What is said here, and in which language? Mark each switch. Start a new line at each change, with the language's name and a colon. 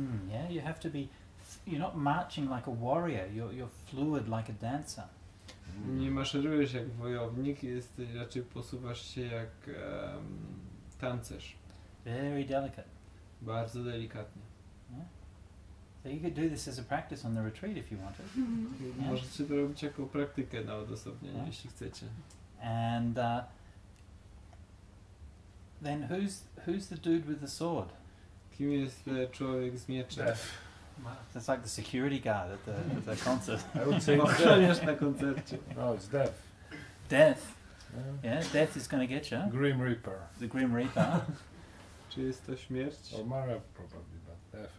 English: Yeah, you have to be, you're not marching like a warrior, you're fluid like a dancer.
Polish: Nie maszerujesz jak wojownik, jesteś raczej posuwasz się jak tancerz.
English: Very delicate.
Polish: Bardzo delikatnie.
English: Yeah. So you could do this as a practice on the retreat if you wanted. Yeah.
Polish: Możecie to robić jako praktykę na odosobnienie, yeah, jeśli chcecie.
English: And then who's the dude with the sword?
Polish: Kim jest człowiek z mieczem?
English: That's like the security guard at the concert. I would say
Polish: na koncercie.
English: No, it's Death. Death. Yeah, Death is gonna get you. Grim Reaper. The Grim Reaper.
Polish: Czy jest to śmierć?
English: Or Mara probably, but Death.